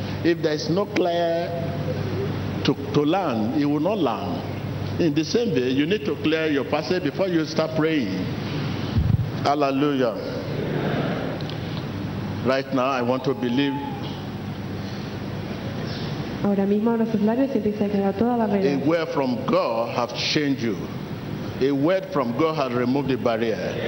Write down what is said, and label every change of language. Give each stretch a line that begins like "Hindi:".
English: If there is no clear to land, it will not land. In the same way, you need to clear your passage before you start praying. Hallelujah. Right now, I want to believe.
Spanish: Ahora mismo nuestros labios empiezan a quedar toda la barrera.
English: A word from God have changed you. A word from God has removed the barrier.